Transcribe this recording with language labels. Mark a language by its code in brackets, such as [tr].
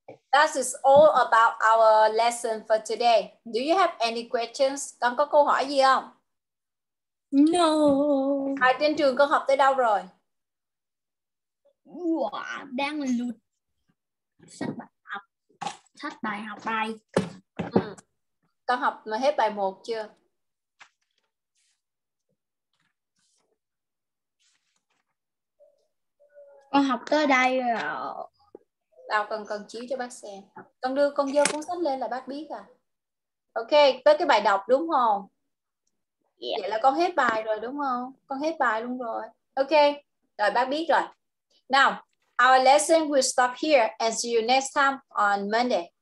[en] That is all about our lesson for today. Do you have any questions? [vi] Con có câu hỏi gì không? [en] No. [vi] Hai trên trường con học tới đâu rồi? Đang lụt sách bài học. Sách bài học bài. Con học mà hết bài 1 chưa? Con học tới đây rồi. Tao cần chiếu cho bác xem. Con đưa con vô cuốn sách lên là bác biết à. Ok, tới cái bài đọc đúng không? [en] Yeah. [vi] Vậy là con hết bài rồi đúng không? Con hết bài luôn rồi. Ok, rồi bác biết rồi. [en] Now, our lesson will stop here and see you next time on Monday.